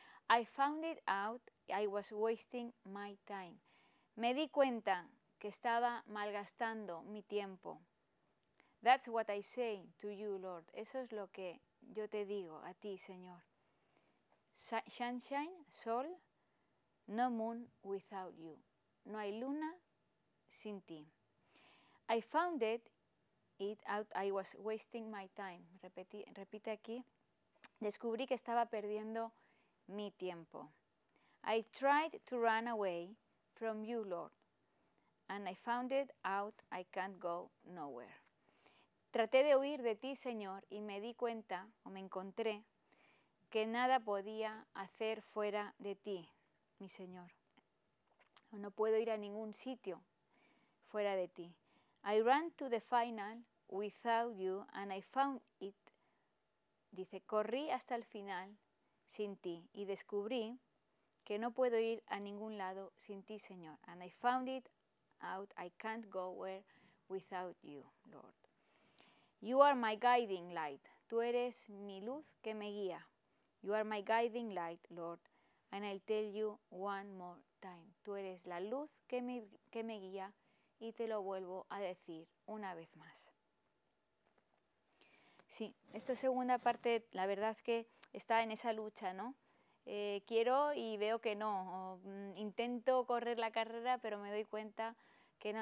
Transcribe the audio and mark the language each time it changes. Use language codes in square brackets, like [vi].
[en] I found it out, I was wasting my time. [es] Me di cuenta que estaba malgastando mi tiempo. [en] That's what I say to you, Lord. [es] Eso es lo que yo te digo a ti, Señor. [en] Sunshine, sol, no moon without you. [es] No hay luna sin ti. [en] I found it out, I was wasting my time. [es] Repite aquí. Descubrí que estaba perdiendo mi tiempo. [en] I tried to run away from you, Lord. And I found it out, I can't go nowhere. [es] Traté de huir de ti, Señor, y me di cuenta, o me encontré, que nada podía hacer fuera de ti, mi Señor. No puedo ir a ningún sitio fuera de ti. [en] I ran to the final without you and I found it. [es] Dice, corrí hasta el final sin ti y descubrí que no puedo ir a ningún lado sin ti, Señor. [en] And I found it out, I can't go where without you, Lord. You are my guiding light. [es] Tú eres mi luz que me guía. [en] You are my guiding light, Lord. And I'll tell you one more time. [es] Tú eres la luz que me guía y te lo vuelvo a decir una vez más. Sí, esta segunda parte, la verdad es que está en esa lucha, ¿no? Quiero y veo que no. Intento correr la carrera, pero me doy cuenta que no.